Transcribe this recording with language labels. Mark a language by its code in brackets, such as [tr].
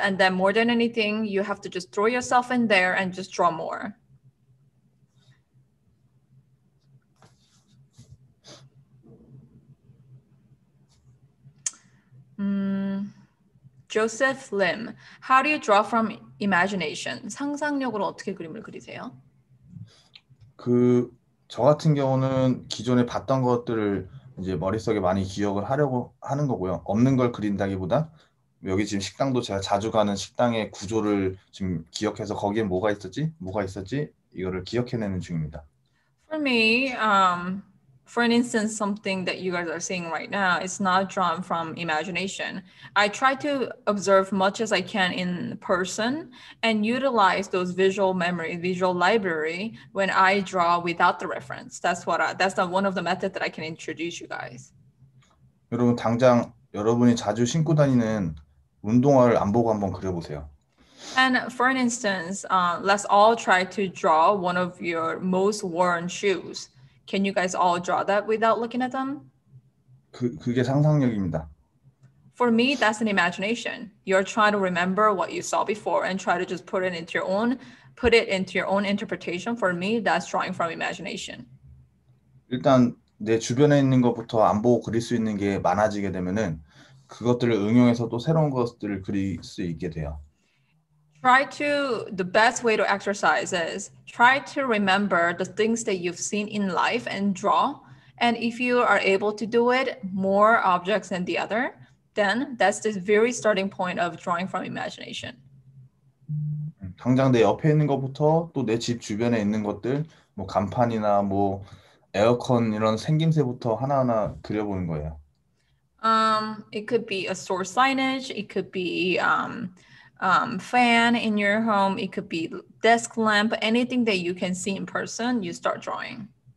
[en] And then more than anything, you have to just throw yourself in there and just draw more. Joseph Lim, how do you draw from imagination? [ko] 상상력으로 어떻게 그림을 그리세요? 그 저 같은 경우는 기존에 봤던 것들을 이제 머릿속에 많이 기억을 하려고 하는 거고요. 없는 걸 그린다기보다 여기 지금 식당도 제가 자주 가는 식당의 구조를 지금 기억해서 거기에 뭐가 있었지? 뭐가 있었지? 이거를 기억해내는 중입니다. [en] For me, For instance, something that you guys are seeing right now, it's not drawn from imagination. I try to observe much as I can in person and utilize those visual memory, visual library when I draw without the reference. That's the one of the methods that I can introduce you guys. [ko] 여러분, 당장 여러분이 자주 신고 다니는 운동화를 안 보고 한번 그려보세요. [en] And for an instance, let's all try to draw one of your most worn shoes. Can you guys all draw that without looking at them? [ko] 그게 상상력입니다. [en] For me, that's an imagination. You're trying to remember what you saw before and try to just put it into your own interpretation. For me, that's drawing from imagination. [ko] 일단 내 주변에 있는 것부터 안 보고 그릴 수 있는 게 많아지게 되면은 그것들을 응용해서 또 새로운 것들을 그릴 수 있게 돼요. [en] The best way to exercise is try to remember the things that you've seen in life and draw. And if you are able to do it more objects than the other, then that's the very starting point of drawing from imagination. [ko] 당장 내 옆에 있는 것부터 또 내 집 주변에 있는 것들, 뭐 간판이나 뭐 에어컨 이런 생김새부터 하나하나 그려보는 거예요. [en] It could be a store signage. It could be fan in your home, it could be desk lamp, anything that you can see in person, you start drawing.